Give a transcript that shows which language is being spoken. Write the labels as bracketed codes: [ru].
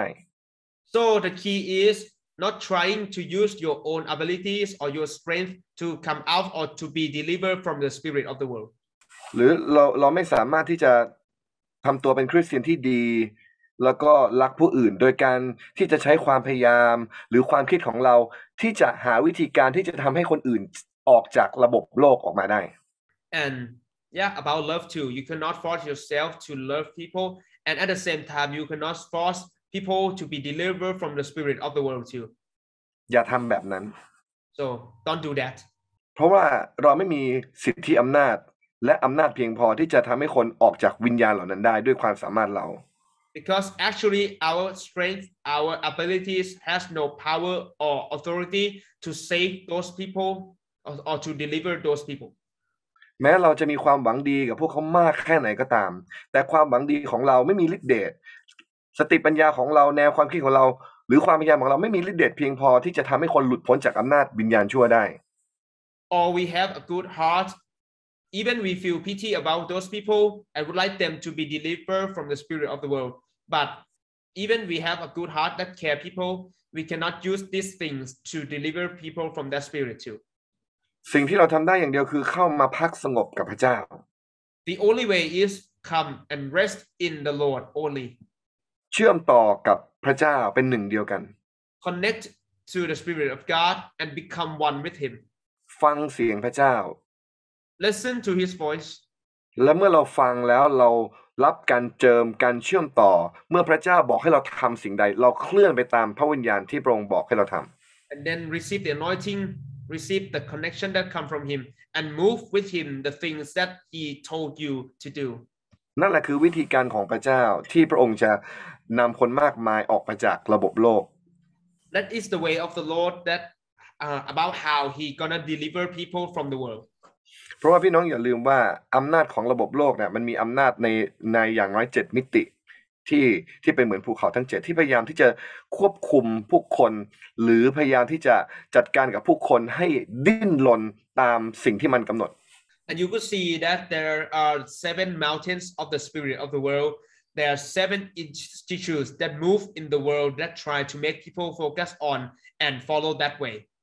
[en] So the key is not trying to use your own abilities or your strength to come out or to be delivered from the spirit of the world [th] หรือเราไม่สามารถที่จะทำตัวเป็นคริสเตียนที่ดีแล้วก็รักผู้อื่นโดยการที่จะใช้ความพยายามหรือความคิดของเราที่จะหาวิธีการที่จะทำให้คนอื่นออกจากระบบโลกออกมาได้ [en] And yeah about love too you cannot force yourself to love people and at the same time you cannot force people to be delivered from the spirit of the world too [th] อย่าทำแบบนั้น [en] So don't do that [th] เพราะว่าเราไม่มีสิทธิอำนาจและอำนาจเพียงพอที่จะทำให้คนออกจากวิญญาณเหล่านั้นได้ด้วยความสามารถเรา [en] Because actually our strength our abilities has no power or authority to save those people or to deliver those people [th] แม้เราจะมีความหวังดีกับพวกเขามากแค่ไหนก็ตามแต่ความหวังดีของเราไม่มีฤทธิ์เดชสติปัญญาของเราแนวความคิดของเราหรือความพยายามของเราไม่มีฤทธิ์เดชเพียงพอที่จะทำให้คนหลุดพ้นจากอำนาจวิญญาณชั่วได้ [en] Or we have a good heartEven we feel pity about those people and would like them to be delivered from the spirit of the world. But even we have a good heart that care people, we cannot use these things to deliver people from that spirit too. [th] สิ่งที่เราทำได้อย่างเดียวคือเข้ามาพักสงบกับพระเจ้า [en] The only way is come and rest in the Lord only. [th] เชื่อมต่อกับพระเจ้าเป็นหนึ่งเดียวกัน [en] Connect to the spirit of God and become one with him. [th] ฟังเสียงพระเจ้า [en] Listen to his voice. [th] และเมื่อเราฟังแล้วเรารับการเจิมการเชื่อมต่อเมื่อพระเจ้าบอกให้เราทำสิ่งใดเราเคลื่อนไปตามพระวิญญาณที่พระองค์บอกให้เราทำ [en] And then receive the anointing, receive the connection that come from him, and move with him the things that he told you to do. [th] นั่นแหละคือวิธีการของพระเจ้าที่พระองค์จะนำคนมากมายออกมาจากระบบโลก [en] That is the way of the Lord. That about how he gonna deliver people from the world. [th] เพราะว่าพี่น้องอย่าลืมว่าอำนาจของระบบโลกเนี่ยมันมีอำนาจในอย่างน้อย7มิติที่เป็นเหมือนภูเขาทั้ง7ที่พยายามที่จะควบคุมผู้คนหรือพยายามที่จะจัดการกับผู้คนให้ดิ้นรนตามสิ่งที่มันกำหนด [en] And you could see that there are 7 mountains of the spirit of the world there are 7 institutes that move in the world that try to make people focus on and follow that way